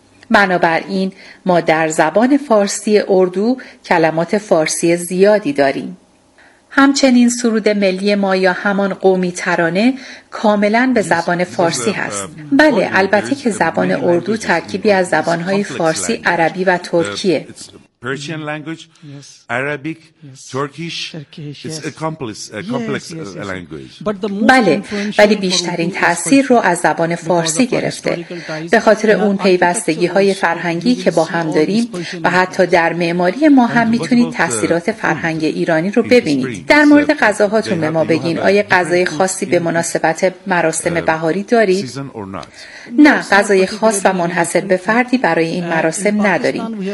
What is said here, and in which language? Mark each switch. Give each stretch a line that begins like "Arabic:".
Persian: بنابراین ما در زبان فارسی اردو کلمات فارسی زیادی داریم. همچنین سرود ملی ما یا همان قومی ترانه کاملاً به زبان فارسی هست. بله، البته که زبان اردو ترکیبی از زبانهای فارسی، عربی و ترکیه.
English: Persian language, Arabic, Turkish, it's a complex language.
Persian: بله، ولی بیشترین تأثیر رو از زبان فارسی گرفته، به خاطر اون پیوستگی های فرهنگی که با هم داریم و حتی در معماری ما هم میتونید تأثیرات فرهنگ ایرانی رو ببینید. در مورد غذاهاتون به ما بگین، آیا غذای خاصی به مناسبت مراسم بهاری دارید؟ نه، غذای خاص و منحصر به فردی برای این مراسم نداریم.